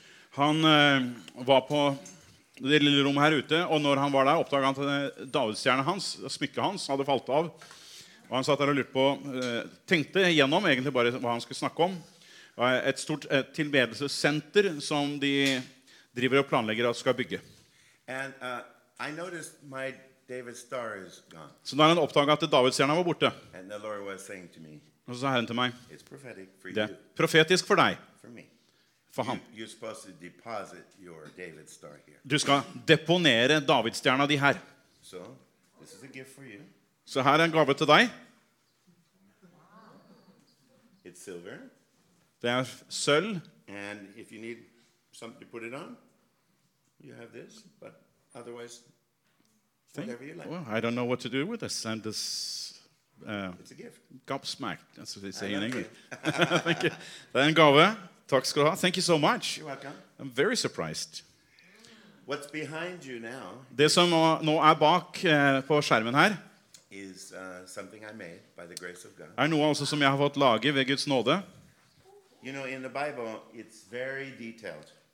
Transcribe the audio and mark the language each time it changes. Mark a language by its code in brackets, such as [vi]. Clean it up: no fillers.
[no] Han var på det lille rommet her ute, og når han var der, oppdaget han at davidstjerne hans, smykket hans, hadde falt av. Og han satt der og lurte på, tenkte gjennom egentlig bare hva han skulle snakke om. Et stort tilbedelsesenter som de driver og planlegger at skal bygge. [en] And, I noticed my David Star is gone. [no] Så når han oppdaget at davidstjerne var borte. [en] And the Lord was saying to me, [no] og så sa Herren til meg, [en] it's prophetic for [no] det profetisk for deg. [en] For me. [no] For ham. [en] You're supposed to deposit your David star here. [no] Du skal deponere davidstjerna di her. [en] So, this is a gift for you. [no] Så her en gave til deg. [en] It's silver. [no] Det sølv. [en] And if you need something to put it on, you have this, but otherwise, whatever you like. Well, I don't know what to do with this. And this it's a gift. Gobsmacked, that's what they say in English. Thank you. [no] Det en gave. [sv] Tack ska du ha. [en] Thank you so much. You're welcome. I'm very surprised. What's behind you now? [no] Det som nå bak på skjermen her [en] is something I made by the grace of God. [no] Er noe også som jeg har fått lage ved Guds nåde. [en] You know, in the Bible, it's very detailed.